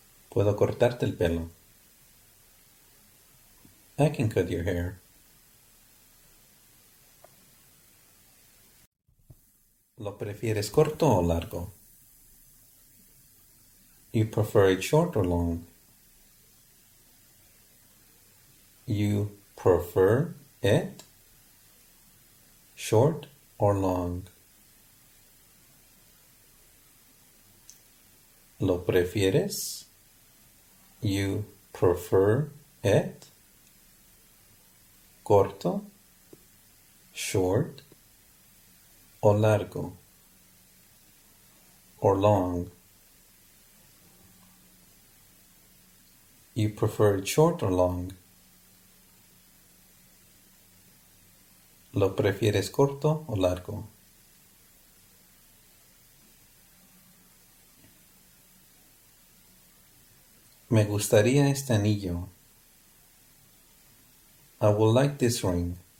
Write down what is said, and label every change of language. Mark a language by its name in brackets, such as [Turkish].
[Spanish] Puedo cortarte el pelo. [English] I can cut your hair. [Spanish] ¿Lo prefieres corto o largo? [English] You prefer it short or long? You prefer it short or long? [Spanish] ¿Lo prefieres? [English] You prefer it [Spanish] corto, [English] short, [Spanish] o largo, [English] or long? You prefer it short or long? [Spanish] ¿Lo prefieres corto o largo? Me gustaría este anillo. [English] I would like this ring.